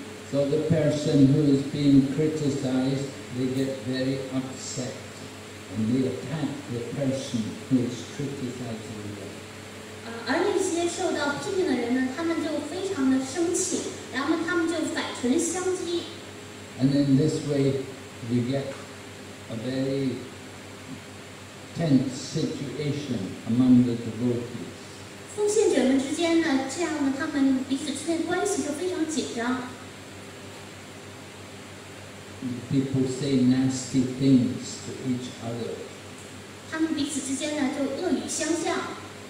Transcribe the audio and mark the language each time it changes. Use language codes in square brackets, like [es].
[en] So the person who is being criticized, they get very upset and they attack the person who is criticizing them. [zh] 而那些受到批评的人呢，他们就非常的生气，然后他们就反唇相讥。 [en] And in this way, you get a very tense situation among the devotees. [zh] 奉献者们之间呢，这样呢，他们彼此之间关系就非常紧张。 [en] People say nasty things to each other. [zh] 他们彼此之间呢，就恶语相向。